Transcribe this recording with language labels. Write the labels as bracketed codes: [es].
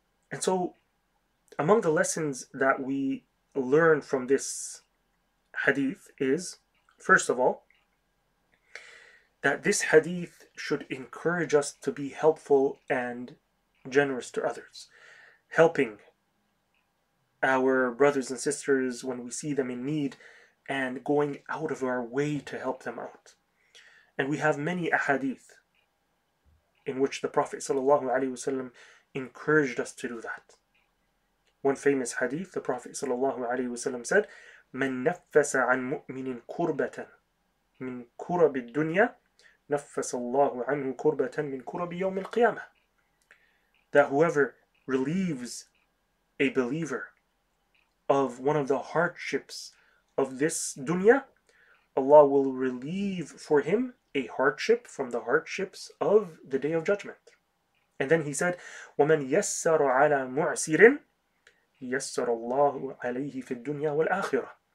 [en] And so, among the lessons that we learn from this hadith is, first of all, that this hadith should encourage us to be helpful and generous to others, helping our brothers and sisters when we see them in need, and going out of our way to help them out. And we have many ahadith in which the Prophet ﷺ encouraged us to do that. One famous hadith, the Prophet ﷺ said, [ar] مَن نَفَّسَ عَن مُؤْمِنٍ كُرْبَةً مِن كُرَبِ الدُّنْيَا نَفَّسَ اللَّهُ عَنْهُ كُرْبَةً مِن كُرَبِ يَوْمِ الْقِيَامَةِ. [en] That whoever relieves a believer of one of the hardships of this dunya, Allah will relieve for him a hardship from the hardships of the Day of Judgment. And then he said, [ar] وَمَن يَسَّرُ عَلَى مُعْسِرٍ يَسَّرَ اللَّهُ عَلَيْهِ فِي الدُّنْيَا وَالْآخِرَةِ.